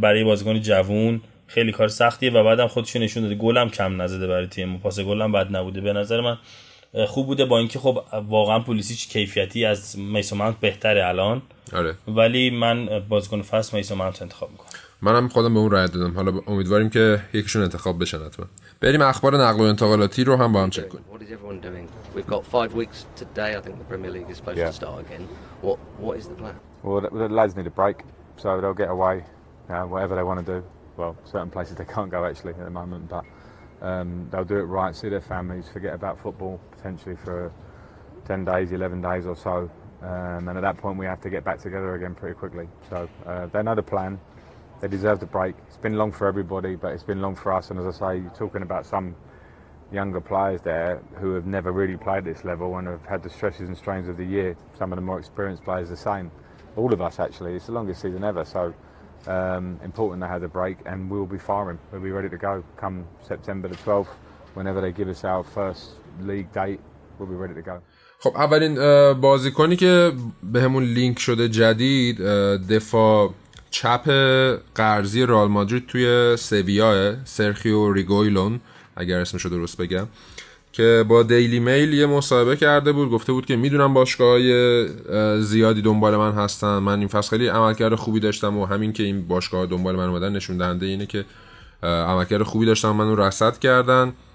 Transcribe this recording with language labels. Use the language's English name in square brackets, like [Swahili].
[Persian] برای بازیکن جوون، خیلی کار سختیه و بعدم خودشو نشون داده، گل هم کم نزده برای تیم، پاس گل هم بد نبوده به نظر من، خوب بوده، با اینکه خب واقعا پولیسیچ کیفیتی از میسون ماونت بهتره الان. آره ولی من بازیکن فصل میسون ماونت انتخاب میکنم. منم خودم به اون رأی دادم، حالا امیدواریم که یکیشون انتخاب بشن حتما. بریم اخبار نقل و انتقالاتی رو هم با هم چک کنیم. [English] We've got 5 weeks today, I think the Premier League is supposed to start again. What is the plan? Well, the lads need a break, so they'll get away, whatever they want to do. Well, certain places they can't go actually at the moment, but they'll do it right, see their families, forget about football potentially for 10 days, 11 days or so. And at that point we have to get back together again pretty quickly. So they know the plan. They deserve the break. It's been long for everybody, but it's been long for us. And as I say, you're talking about some younger players there who have never really played this level and have had the stresses and strains of the year. Some of the more experienced players the same. All of us, actually. It's the longest season ever. So important they have the break, and we'll be firing. We'll be ready to go come September the 12th. Whenever they give us our first league date, we'll be ready to go. [Persian] خب اولین بازیکنی که به همون لینک شده جدید دفاع چپ قرضی رئال مادرید توی سویا، سرخیو ریگویلون اگر اسمش رو درست بگم، که با دیلی میل یه مصاحبه کرده بود، گفته بود که میدونم باشگاه‌های زیادی دنبال من هستن، من این فصل خیلی عملکرد خوبی داشتم و همین که این باشگاه‌ها دنبال من اومدن نشون دهنده اینه که عملکرد خوبی داشتم، منو رصد کردن.